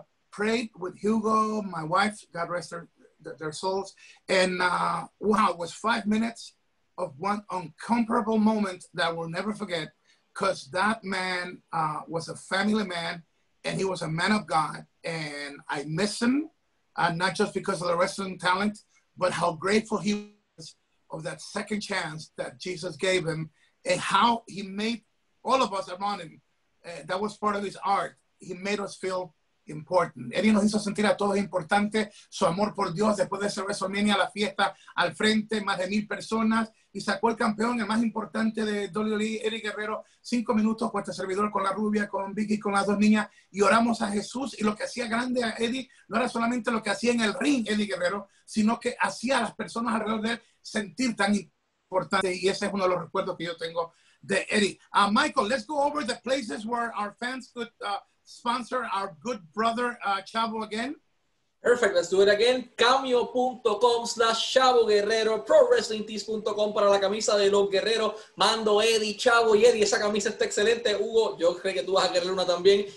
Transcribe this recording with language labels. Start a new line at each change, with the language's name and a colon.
English: prayed with Hugo, my wife, God rest their souls, and wow, it was 5 minutes of one incomparable moment that I will never forget, because that man was a family man, and he was a man of God, and I miss him, not just because of the wrestling talent, but how grateful he was of that second chance that Jesus gave him, and how he made all of us around him, that was part of his art. He made us feel important.
Spanish: Eddie nos hizo sentir a todos importantes, su amor por Dios, después de ese WrestleMania, la fiesta al frente, más de 1,000 personas, y sacó el campeón, el más importante de WWE, Eddie Guerrero, 5 minutos con este servidor, con la rubia, con Vicky, con las dos niñas, y oramos a Jesús, y lo que hacía grande a Eddie, no era solamente lo que hacía en el ring Eddie Guerrero, sino que hacía a las personas alrededor de él sentir tan importante, y ese es uno de los recuerdos que yo tengo de Eddie.
English: Michael, let's go over the places where our fans could sponsor our good brother Chavo again. Perfect, let's do it again.
Spanish: Cameo.com/Chavo Guerrero, ProWrestlingTees.com para la camisa de los guerreros. Mando Eddie, Chavo y Eddie, esa camisa está excelente. Hugo, yo creo que tú vas a querer una también.